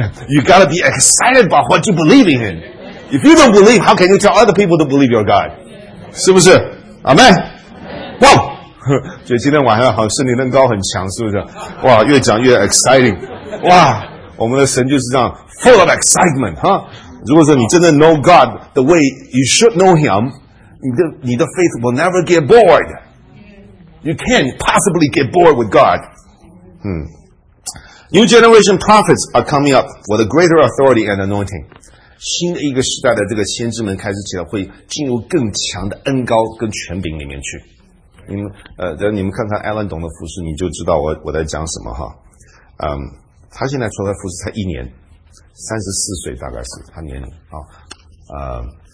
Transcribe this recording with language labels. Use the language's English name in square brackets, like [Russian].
[English] You gotta be excited about what you believe in him. If you don't believe, how can you tell other people to believe your God? [Chinese] 是不是？ [English] Amen. Wow. [Chinese] 就今天晚上好像圣灵灯高很强，是不是？哇，越讲越 exciting. 哇，我们的神就是这样 [English] full of excitement, [Chinese] 哈、huh? ！如果说你真的 [English] know God the way you should know Him, [Chinese] 你的 [English] faith will never get bored. You can't possibly get bored with God. New generation prophets are coming up with a greater authority and anointing. [Chinese] 新的一个时代的这个先知们开始起来，会进入更强的恩膏跟权柄里面去。你们看看 Alan 懂的服事，你就知道我在讲什么哈。他现在出来服侍才一年，34岁大概是他年龄啊、哦。